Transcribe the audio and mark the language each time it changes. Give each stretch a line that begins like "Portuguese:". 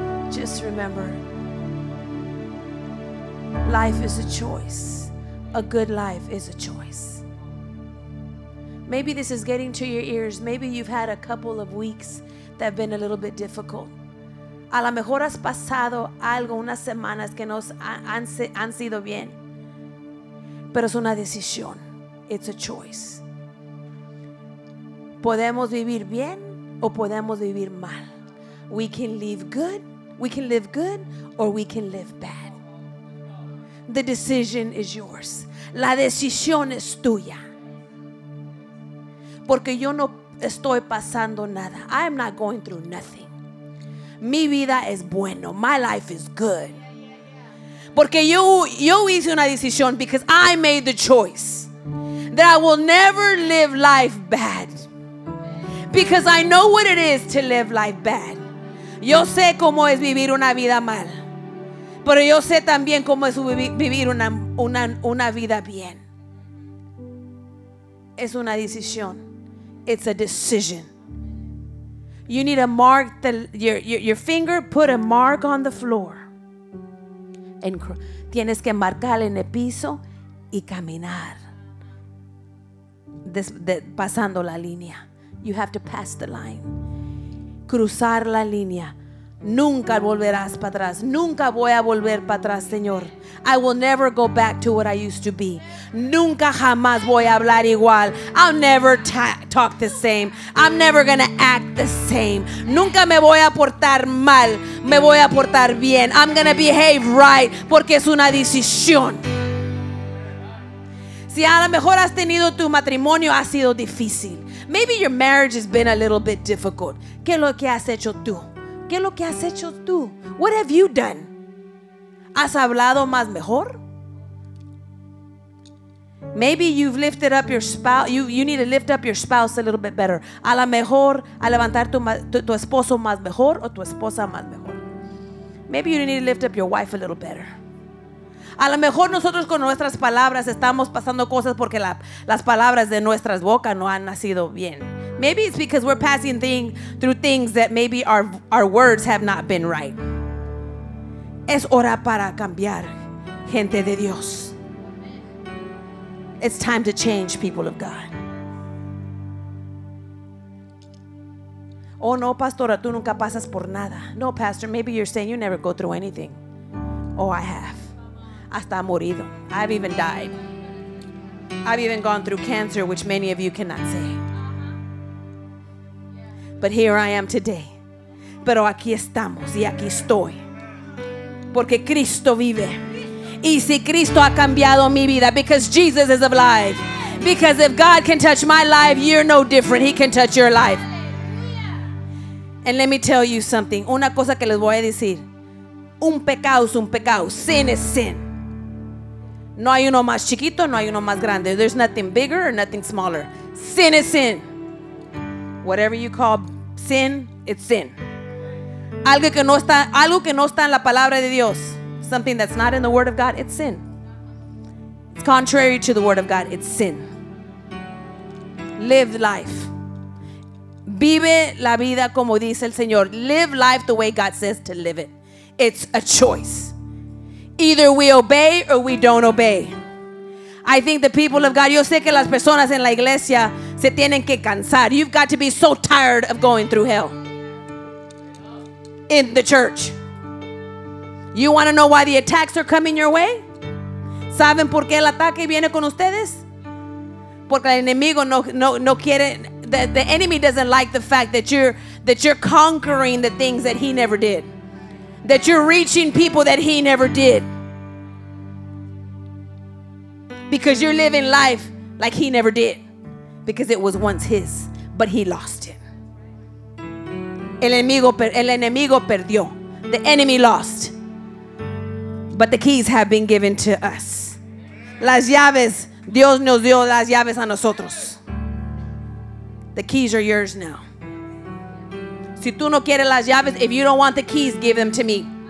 English: Just remember, life is a choice. A good life is a choice. Maybe this is getting to your ears. Maybe you've had a couple of weeks that have been a little bit difficult.
Spanish: A lo mejor has pasado algo, unas semanas que no han sido bien. Pero es una decisión.
English: It's a choice.
Spanish: Podemos vivir bien o podemos vivir mal.
English: We can live good. We can live good or we can live bad. The decision is yours.
Spanish: La decisión es tuya. Porque yo no estoy pasando nada.
English: I am not going through nothing.
Spanish: Mi vida es bueno.
English: My life is good.
Spanish: Porque yo hice una decisión.
English: Because I made the choice that I will never live life bad. Because I know what it is to live life bad.
Spanish: Yo sé cómo es vivir una vida mal. Pero yo sé también cómo es vivir una vida bien. Es una decisión.
English: It's a decision. You need to mark your finger, put a mark on the floor.
Spanish: Tienes que marcar en el piso y caminar. Pasando la línea.
English: You have to pass the line.
Spanish: Cruzar la línea. Nunca volverás para atrás. Nunca voy a volver para atrás, Señor.
English: I will never go back to what I used to be.
Spanish: Nunca jamás voy a hablar igual.
English: I'll never talk the same. I'm never going to act the same.
Spanish: Nunca me voy a portar mal. Me voy a portar bien.
English: I'm going to behave right.
Spanish: Porque es una decisión. Si a lo mejor has tenido tu matrimonio, ha sido difícil.
English: Maybe your marriage has been a little bit difficult.
Spanish: ¿Qué es lo que has hecho tú? ¿Qué es lo que has hecho tú?
English: What have you done?
Spanish: ¿Has hablado más mejor?
English: Maybe you've lifted up your spouse. You need to lift up your spouse a little bit better.
Spanish: A lo mejor, a levantar tu esposo más mejor o tu esposa más mejor.
English: Maybe you need to lift up your wife a little better.
Spanish: A lo mejor nosotros con nuestras palabras estamos pasando cosas porque las palabras de nuestras bocas no han nacido bien.
English: Maybe it's because we're passing through things that maybe our words have not been right.
Spanish: Es hora para cambiar, gente de Dios.
English: It's time to change, people of God.
Spanish: Oh, no, pastora, tú nunca pasas por nada.
English: No, pastor, maybe you're saying you never go through anything. Oh, I have.
Spanish: Hasta morido.
English: I've even died. I've even gone through cancer, which many of you cannot say. But here I am today.
Spanish: Pero aquí estamos y aquí estoy. Porque Cristo vive. Y si Cristo ha cambiado mi vida,
English: because Jesus is alive. Because if God can touch my life, you're no different. He can touch your life. And let me tell you something.
Spanish: Una cosa que les voy a decir. Un pecado es un pecado. Sin es sin. No hay uno más chiquito, no hay uno más grande.
English: There's nothing bigger or nothing smaller. Sin is sin. Whatever you call sin, it's sin.
Spanish: Algo que no está en la palabra de Dios.
English: Something that's not in the word of God, it's sin. It's contrary to the word of God, it's sin. Live life.
Spanish: Vive la vida como dice el Señor.
English: Live life the way God says to live it. It's a choice. Either we obey or we don't obey. I think the people of God,
Spanish: yo sé que las personas en la iglesia se tienen que cansar.
English: You've got to be so tired of going through hell in the church. You want to know why the attacks are coming your way?
Spanish: ¿Saben por qué el ataque viene con ustedes? Porque el enemigo no quiere.
English: The enemy doesn't like the fact that you're conquering the things that he never did. That you're reaching people that he never did. Because you're living life like he never did. Because it was once his, but he lost it.
Spanish: El enemigo perdió.
English: The enemy lost. But the keys have been given to us.
Spanish: Las llaves, Dios nos dio las llaves a nosotros.
English: The keys are yours now.
Spanish: Si tú no quieres las llaves,
English: if you don't want the keys, give them to me.